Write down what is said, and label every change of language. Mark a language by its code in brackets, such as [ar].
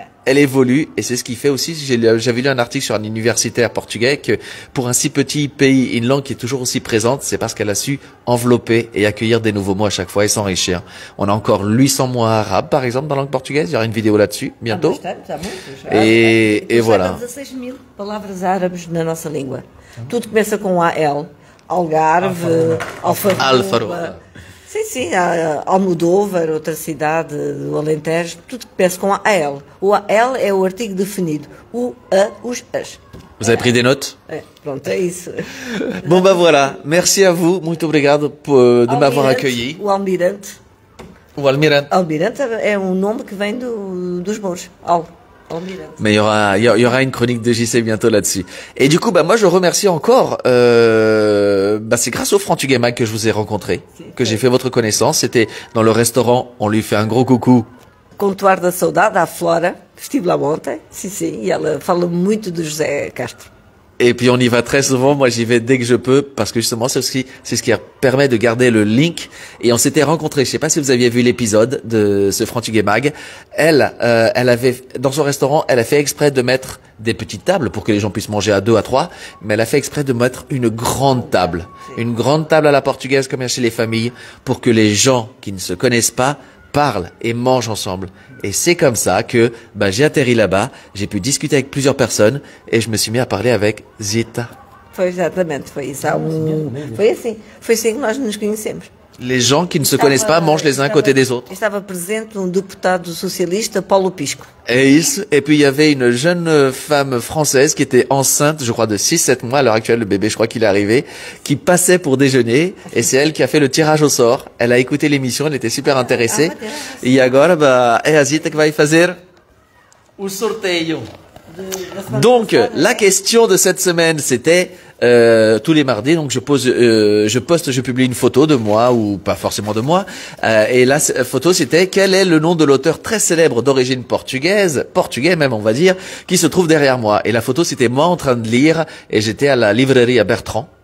[fr] Elle évolue, et c'est ce qui fait aussi, j'avais lu un article sur un universitaire portugais, que pour un si petit pays, une langue qui est toujours aussi présente, c'est parce qu'elle a su envelopper et accueillir des nouveaux mots à chaque fois et s'enrichir. On a encore 800 mots arabes, par exemple, dans la langue portugaise, il y aura une vidéo là-dessus, bientôt. Et voilà. Il y a 16 000 [pt] palavras árabes [fr] dans notre langue. Tout commence avec AL, Algarve, Alfarouba. [pt] Sim, sim, a Almodóvar, outra cidade do Alentejo, tudo que peço com a L. O AL é o artigo definido. O A, os As. [fr] Vous avez pris des notes? [pt] É, pronto, é isso. [fr] Bom, voilà. Merci à vous. [pt] Muito obrigado [fr] de m'avoir accueilli. [pt] O Almirante. O Almirante. Almirante é um nome que vem dos mouros. Almirante. [fr] Mais il y aura une chronique de JC bientôt là-dessus. Et du coup, moi, je remercie encore. C'est grâce au Frantugue Mag que je vous ai rencontré, que j'ai fait votre connaissance. C'était dans le restaurant. On lui fait un gros coucou. [pt] Comptoir da Saudade, à Flora. Estive lá ontem. Si, si. [fr] Et elle parle beaucoup de José Castro. Et puis, on y va très souvent. Moi, j'y vais dès que je peux. Parce que justement, c'est ce qui permet de garder le link. Et on s'était rencontrés. Je sais pas si vous aviez vu l'épisode de ce Frantugue Mag. Elle avait, dans son restaurant, elle a fait exprès de mettre des petites tables pour que les gens puissent manger à deux, à trois. Mais elle a fait exprès de mettre une grande table. Une grande table à la portugaise, comme chez les familles, pour que les gens qui ne se connaissent pas parlent et mangent ensemble. Et c'est comme ça que j'ai atterri là-bas, j'ai pu discuter avec plusieurs personnes et je me suis mis à parler avec Zita. [pt] Exactement, foi assim que nós nos conhecemos. [fr] Les gens qui ne se connaissent pas mangent les uns à côté des autres. [pt] Estava presente um deputado socialista, Paulo Pisco. É isso. [fr] Et puis il y avait une jeune femme française qui était enceinte, je crois, de 6-7 mois. À l'heure actuelle, le bébé, je crois qu'il est arrivé, qui passait pour déjeuner. Et c'est elle qui a fait le tirage au sort. Elle a écouté l'émission, elle était super intéressée. [pt] E agora, é a Zita que vai fazer o sorteio. [fr] Donc, la question de cette semaine, c'était tous les mardis, donc je publie une photo de moi, ou pas forcément de moi, et la photo c'était: quel est le nom de l'auteur très célèbre d'origine portugaise, portugais même on va dire, qui se trouve derrière moi? Et la photo c'était moi en train de lire, et j'étais à la librairie à Bertrand,